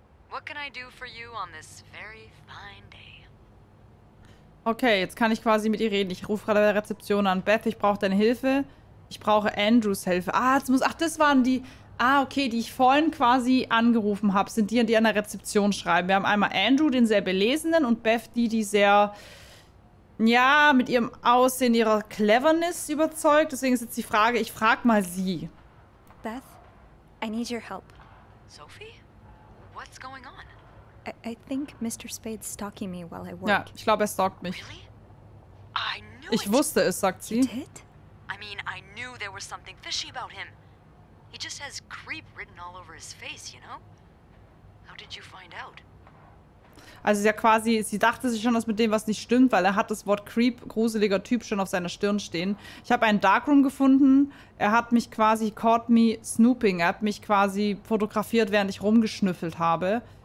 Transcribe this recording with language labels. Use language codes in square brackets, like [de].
[en] What can I do for you on this very fine day? [de] Okay, jetzt kann ich quasi mit ihr reden. Ich rufe gerade bei der Rezeption an. Beth, ich brauche deine Hilfe. Ich brauche Andrews Hilfe. Ah, jetzt muss... Ach, das waren die... Ah, okay, die ich vorhin quasi angerufen habe, sind die, die an der Rezeption schreiben. Wir haben einmal Andrew, den sehr Belesenen, und Beth, die, die sehr... Ja, mit ihrem Aussehen, ihrer Cleverness überzeugt. Deswegen ist jetzt die Frage, ich frage mal sie. [en] Beth, I need your help. Sophie? What's going on? I think Mr. Spade's stalking me while I work. [de] Ja, ich glaube, er stalkt mich. [en] Really? I knew [de] ich wusste es, sagt sie. [en] You did? I mean, I knew there was something fishy about him. He just has creep written all over his face, you know? How did you find out? [de] Also ja, quasi, sie dachte sich schon, dass mit dem was nicht stimmt, weil er hat das Wort Creep, gruseliger Typ, schon auf seiner Stirn stehen. Ich habe einen Darkroom gefunden. Er hat mich quasi, [en] caught me snooping. [de] Er hat mich quasi fotografiert, während ich rumgeschnüffelt habe.